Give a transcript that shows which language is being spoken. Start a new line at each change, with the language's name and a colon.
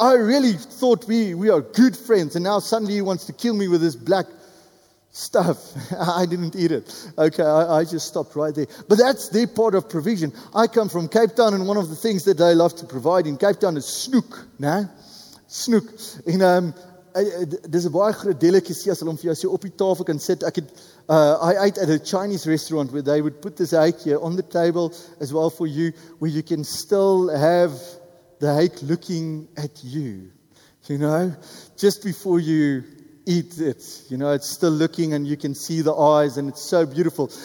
English: I really thought we are good friends and now suddenly he wants to kill me with this black stuff. I didn't eat it. Okay, I just stopped right there. But that's their part of provision. I come from Cape Town, and one of the things that they love to provide in Cape Town is snoek. Nah? Snoek.
Afrikaans: En dis 'n baie groot delicacy as hulle om vir jou so op die tafel kan sit.
English: I ate at a Chinese restaurant where they would put this hake here on the table as well for you, where you can still have the hake looking at you. You know? Just before you eat it, you know, it's still looking and you can see the eyes and it's so beautiful.